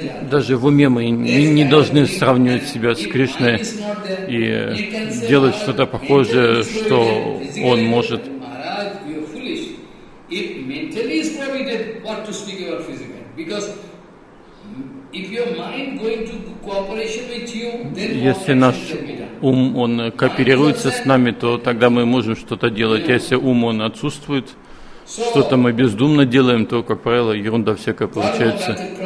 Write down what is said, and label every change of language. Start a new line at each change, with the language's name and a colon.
Russian: Даже в уме мы не должны сравнивать себя с Кришной и делать что-то похожее, что он может.
English: Maharaj, you are foolish. If mentally is prohibited, what to speak about physically? Because if your mind going to cooperation with you, then
Russian: ум, он кооперируется с нами, то тогда мы можем что-то делать. А если ум, он отсутствует, что-то мы бездумно делаем, то, как правило, ерунда всякая получается.